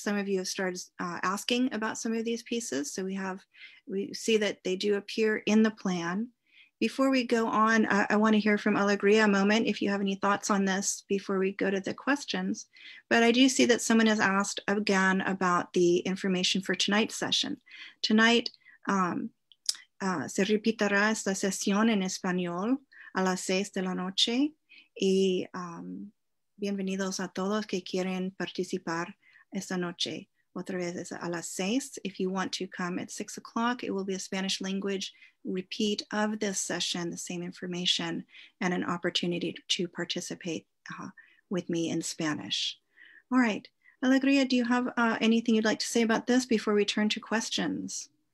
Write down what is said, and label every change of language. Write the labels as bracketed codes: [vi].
[en] Some of you have started asking about some of these pieces. So we see that they do appear in the plan. Before we go on, I want to hear from Alegria a moment if you have any thoughts on this before we go to the questions. But I do see that someone has asked again about the information for tonight's session. [es] Tonight, se repitará esta sesión en español a las 6 de la noche. Y bienvenidos a todos que quieren participar esta noche. Otra vez es a las 6. [en] If you want to come at 6 o'clock, it will be a Spanish language repeat of this session, the same information, and an opportunity to participate with me in Spanish. All right, Alegria, do you have anything you'd like to say about this before we turn to questions?